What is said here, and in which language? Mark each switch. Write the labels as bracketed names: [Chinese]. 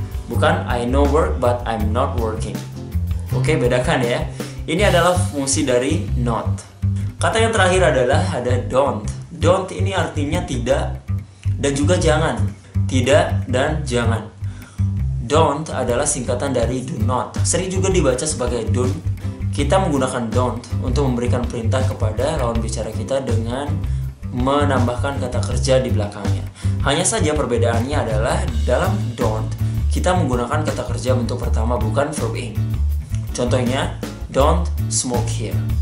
[Indonesian] Bukan [English] I no work, but I'm not working. [Indonesian] Oke, bedakan ya. Ini adalah fungsi dari not. Kata yang terakhir adalah ada don't. Don't ini artinya tidak dan juga jangan. Tidak dan jangan. Don't adalah singkatan dari do not. Sering juga dibaca sebagai don't. Kita menggunakan don't untuk memberikan perintah kepada lawan bicara kita dengan menambahkan kata kerja di belakangnya. Hanya saja perbedaannya adalah dalam don't, kita menggunakan kata kerja bentuk pertama bukan verb ing. Contohnya, [English] don't smoke here.